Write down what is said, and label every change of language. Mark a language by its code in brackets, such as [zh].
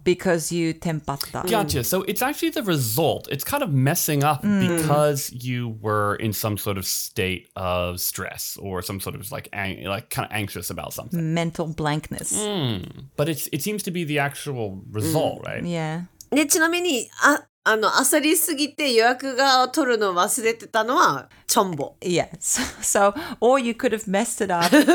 [en] Because you tempatta. Gotcha. So it's actually the result. It's kind of messing up because you were in some sort of state of stress or some sort of like kind of anxious about something. Mental blankness. But it seems to be the actual result, right? Yeah. [ja] で、ちなみに、焦りすぎて予約が取るの忘れてたのはチョンボ。 [en] Yeah. So, or you could have messed it up.